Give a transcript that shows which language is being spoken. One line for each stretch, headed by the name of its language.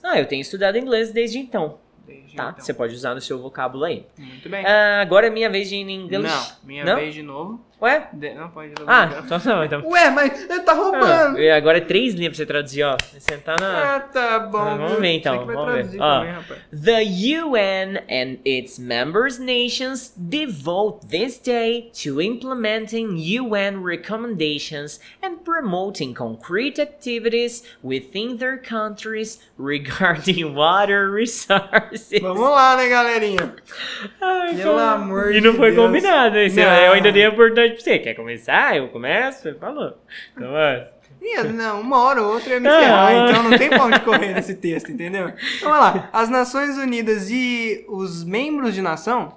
Portuguese: Eu tenho estudado inglês desde então. Você pode usar no seu vocábulo aí. Muito bem. Agora é minha vez de ir em inglês. Vez de novo. Ué? Então. Ué, mas ele tá roubando. Agora é três linhas pra você traduzir, Sentar na... tá bom. Vamos ver, então.
English: The UN and its members nations devote this day to implementing UN recommendations and promoting concrete activities within their countries regarding water resources.
Portuguese: Vamos lá, né, galerinha? Pelo amor de Deus. E não foi combinado, né? Eu ainda dei a oportunidade. Tipo, você quer começar? Eu começo? Você falou. Não, uma hora ou outra ia me ferrar, então não tem pra onde correr nesse texto, entendeu? Então, olha lá, as Nações Unidas e os membros de nação...